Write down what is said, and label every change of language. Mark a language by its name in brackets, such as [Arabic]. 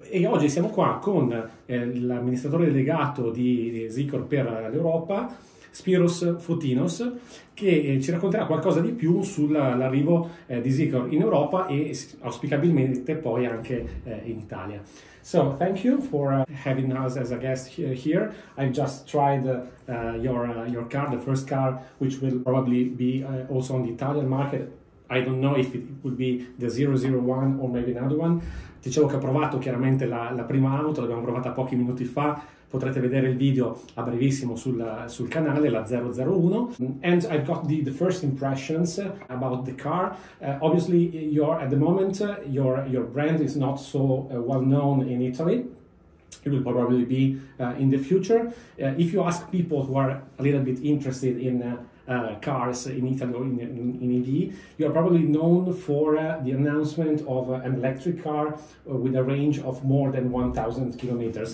[Italian] E oggi siamo qua con l'amministratore delegato di ZEEKR per l'Europa, Spiros Fotinos, che ci racconterà qualcosa di più sull'arrivo di ZEEKR in Europa e auspicabilmente poi anche in Italia. [English] So, thank you for having us as a guest here. I just tried your car, the first car, which will probably be also on the Italian market. I don't know if it would be the 001 or maybe another one. [Italian] Dicevo che ho provato chiaramente la prima auto, l'abbiamo provata pochi minuti fa. Potrete vedere il video a brevissimo sul canale, la 001. [English] And I've got the first impressions about the car. Obviously, your brand is not so well known in Italy. It will probably be in the future. If you ask people who are a little bit interested in cars in Italy or in EV, you are probably known for the announcement of an electric car with a range of more than 1000 km.